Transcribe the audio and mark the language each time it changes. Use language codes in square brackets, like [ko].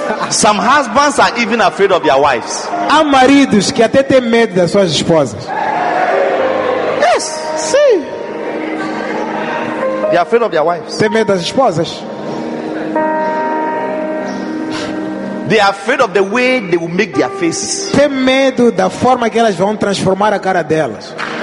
[en] Some husbands are even afraid of their wives. [pt] Há maridos que até têm medo das suas esposas. [en] Yes, [pt] sim. [en] They are afraid of their wives. [pt] Têm medo das esposas. [en] They are afraid of the way they will make their faces. [pt] Têm medo da forma que elas vão transformar a cara delas.